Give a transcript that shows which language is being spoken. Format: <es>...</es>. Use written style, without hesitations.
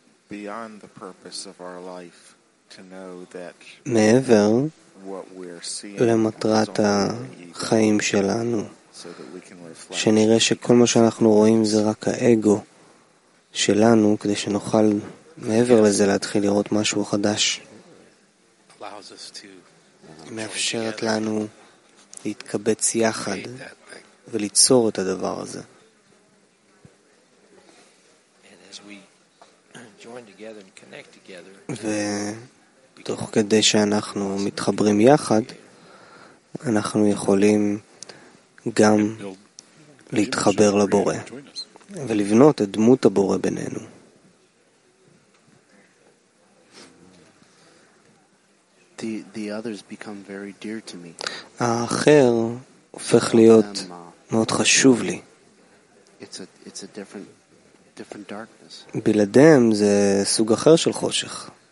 <en>Beyond the purpose of our life to know that</en> <he>מעבר למטרת החיים שלנו, שנראה שכל מה שאנחנו רואים זה רק האגו שלנו, כדי שנוכל מעבר לזה להתחיל לראות משהו חדש.</he> <en>allows us to</en> <he>מאפשרת לנו להתקבץ יחד וליצור את הדבר הזה.</he> <en>And as we join together and connect together,</en> <he>ותוך כדי שאנחנו מתחברים יחד, אנחנו יכולים גם להתחבר לבורא ולבנות את דמות הבורא בינינו.</he> <en>The others become very dear to me.</en> <he>האחר הופך להיות מאוד חשוב לי.</he> <en>It's a different darkness.</en> <he>בלעדיהם זה סוג אחר של חושך.</he>